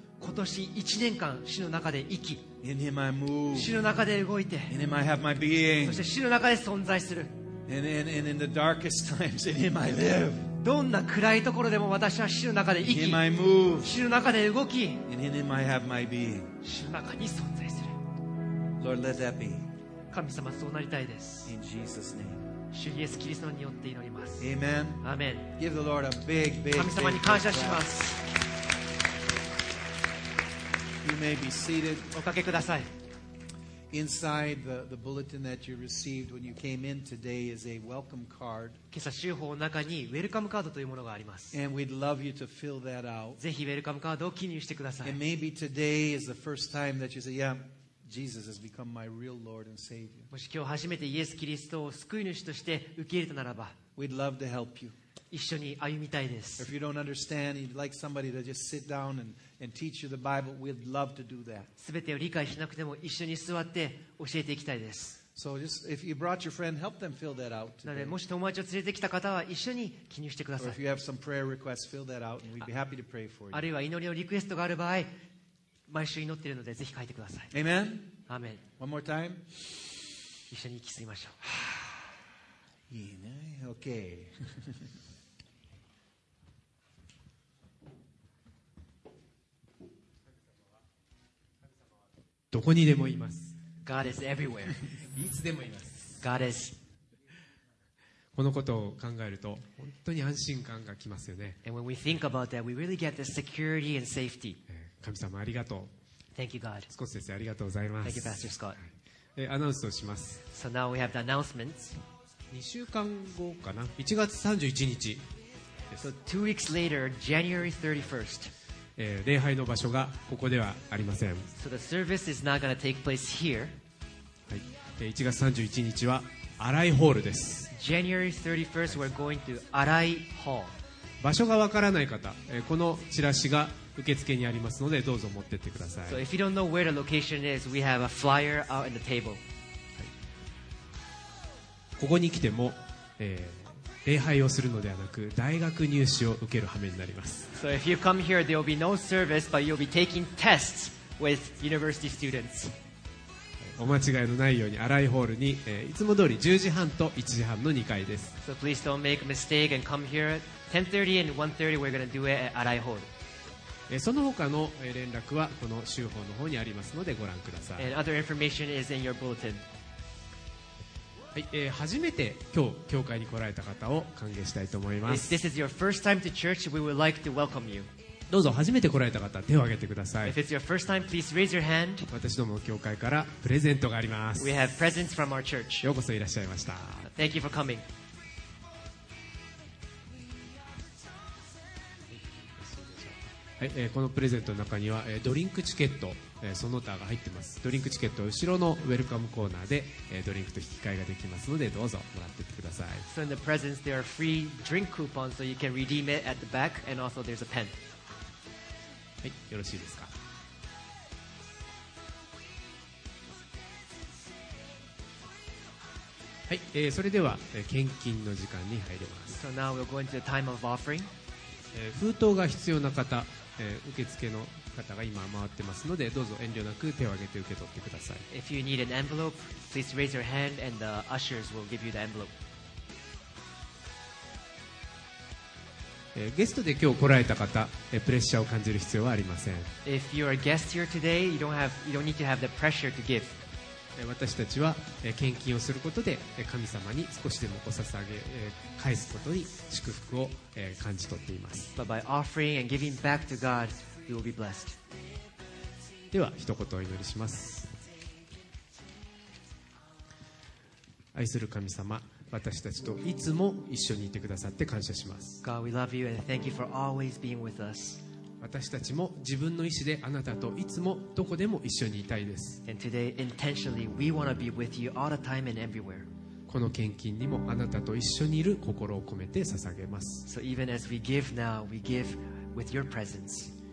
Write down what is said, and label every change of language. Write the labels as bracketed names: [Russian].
[Japanese] 今年1年間、主の中で生き。 [English] In Him I move. [Japanese] 主の中で動いて。 [English] In Him I have my being. [Japanese] そして主の中で存在する。 [English] And in the darkest times, In Him I live. [Japanese] どんな暗いところでも私は主の中で生き、 [English] In my move. [Japanese] 主の中で動き、 [English] In him I have my being. [Japanese] 主の中に存在する。 [English] Lord, let that be. [Japanese] 神様そうなりたいです。 [English] In Jesus' name. [Japanese] 主イエスキリストによって祈ります。 [English] Amen. Amen. Give the Lord a big, big, big. [Japanese] 神様に感謝します。 [English] You may be seated. [Japanese] おかけください。 [English] Inside the bulletin that you received when you came in today is a welcome card. [Japanese] 今朝週報の中にウェルカムカードというものがあります。 [English] And we'd love you to fill that out. [Japanese] ぜひウェルカムカードを記入してください。 [English] And maybe today is the first time that you say, yeah, Jesus has become my real Lord and Savior. [Japanese] もし今日初めてイエス・キリストを救い主として受け入れたならば、 [English] we'd love to help you. [Japanese] 一緒に歩みたいです。 [English] If you don't understand, you'd like somebody to just sit down and teach you the Bible, we'd love to do that. [Japanese] 全てを理解しなくても一緒に座って教えていきたいです。 [English] So just if you brought your friend, help them fill that out. [Japanese] なのでもし友達を連れてきた方は一緒に記入してください。 [English] Or if you have some prayer requests, fill that out, and we'd be happy to pray for you. [Japanese] あるいは祈りのリクエストがある場合、毎週祈っているのでぜひ書いてください。 [English] Amen. Amen. One more time. [Japanese] 一緒に息吸いましょう。いいね。Okay. どこにでもいます。 [English] God is everywhere. [Japanese] いつでもいます。 [English] God is. [Japanese] このことを考えると本当に安心感がきますよね。 [English] And when we think about that, we really get the security and safety. [Japanese] 神様ありがとう。 [English] Thank you, God. [Japanese] 少し先生ありがとうございます。 [English] Thank you, Pastor Scott. [Japanese] アナウンスをします。 [English] So now we have the announcements. [Japanese] 2週間後かな。1月31日。 [English] So two weeks later, January 31st. [Japanese] 礼拝の場所がここではありません。 [English] So the service is not gonna take place here. [Japanese] はい、1月31日は新井ホールです。 [English] January 31st, we're going to 新井 Hall. [Japanese] 場所がわからない方、このチラシが受付にありますのでどうぞ持ってってください。 [English] So if you don't know where the location is, we have a flyer out in the table.、はい、 [Japanese] ここに来ても、礼拝をするのではなく大学入試を受ける羽目になります。 [English] So if you come here, there will be no service, but you'll be taking tests with university students. [Japanese] お間違いのないように新井ホールに、いつも通り10時半と1時半の2階です。 [English] So please don't make a mistake and come here at 10:30 and 1:30. We're gonna do it at 新井ホール。 [Japanese] その他の連絡はこの週報の方にありますのでご覧ください。 [English] And other information is in your bulletin. [Japanese] はい、初めて今日教会に来られた方を歓迎したいと思います。 [English] If this is your first time to church, we would like to welcome you. [Japanese] どうぞ初めて来られた方手を挙げてください。 [English] If it's your first time, please raise your hand. [Japanese] 私どもの教会からプレゼントがあります。 [English] We have presents from our church. [Japanese] ようこそいらっしゃいました。 [English] Thank you for coming. [Japanese] はい、このプレゼントの中にはドリンクチケットその他が入ってます。ドリンクチケットは後ろのウェルカムコーナーでドリンクと引き換えができますのでどうぞもらっていってください。 [English] So in the presents there are free drink coupons so you can redeem it at the back and also there's a pen. [Japanese] はい、よろしいですか。はい、それでは献金の時間に入ります。 [English] So now we'll go into the time of offering. [Japanese] 封筒が必要な方、受付の方が今回ってますのでどうぞ遠慮なく手を挙げて受け取ってください。 [English] If you need an envelope, please raise your hand and the ushers will give you the envelope. [Japanese] ゲストで今日来られた方、プレッシャーを感じる必要はありません。 [English] If you are a guest here today, you don't need to have the pressure to give. [Japanese] 私たちは献金をすることで神様に少しでもお捧げ返すことに祝福を感じ取っています。 [English] But by offering and giving back to God,You will be blessed. [Japanese] では一言お祈りします。愛する神様、私たちといつも一緒にいてくださって感謝します。 [English] God, we love you and thank you for always being with us. [Japanese] 私たちも自分の意思であなたといつもどこでも一緒にいたいです。 [English] And today, intentionally, we want to be with you all the time and everywhere. [Japanese] この献金にもあなたと一緒にいる心を込めて捧げます。 [English] So even as we give now, we give with your presence.